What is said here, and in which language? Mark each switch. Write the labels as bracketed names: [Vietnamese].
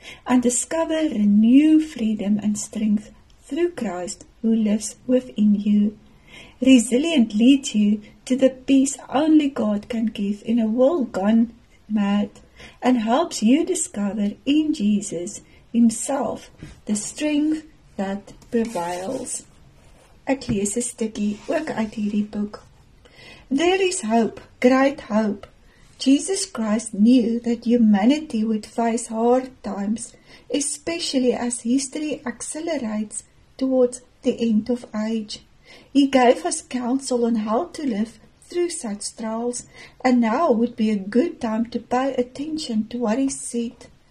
[English] And discover renewed freedom and strength through Christ who lives within you. Resilient leads you to the peace only God can give in a world gone mad. And helps you discover in Jesus Himself the strength that prevails. [Afrikaans] Ek lees 'n stukkie ook uit hierdie boek. [English] There is hope, great hope. Jesus Christ knew that humanity would face hard times, especially as history accelerates towards the end of age. He gave us counsel on how to live through such trials, and now would be a good time to pay attention to what He said.